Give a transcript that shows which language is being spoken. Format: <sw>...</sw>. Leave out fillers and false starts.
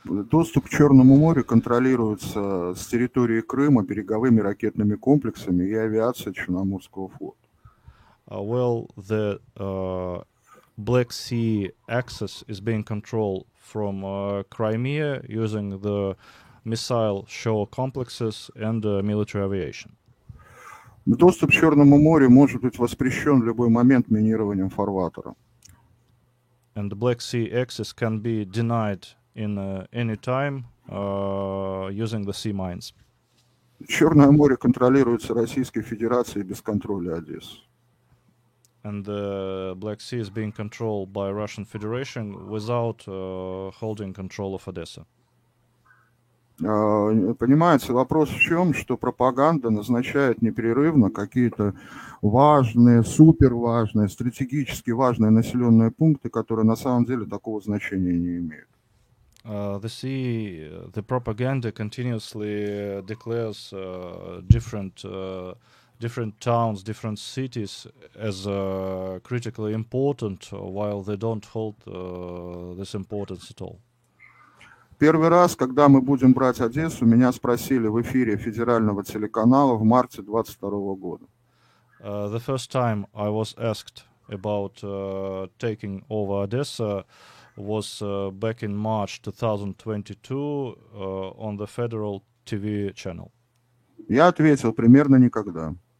<ru>Доступ к Черному морю контролируется с территории Крыма береговыми ракетными комплексами и авиацией Черноморского флота.</ru> <en>Well, the Black Sea access is being controlled from Crimea using the missile shore complexes and military aviation.</en> <ru>Доступ к Черному морю может быть воспрещен в любой момент минированием фарватера.</ru> <en>And the Black Sea access can be denied in any time using the sea mines.</en> <ru>Черное море контролируется Российской Федерацией без контроля Одессы.</ru> <en>And the Black Sea is being controlled by Russian Federation without holding control of Odessa.</en> <ru>Понимаете, вопрос в чем, что пропаганда назначает непрерывно какие-то важные, суперважные, стратегически важные населенные пункты, которые на самом деле такого значения не имеют.</ru> <en>The propaganda continuously declares different different towns, different cities as critically important, while they don't hold this importance at all?</en> <ru>Первый раз, когда мы будем брать Одессу, меня спросили в эфире федерального телеканала в марте 22 года.</ru> <en>The first time I was asked about taking over Odessa was back in March 2022 on the federal TV channel.</en> <ru>Я ответил примерно никогда.</ru>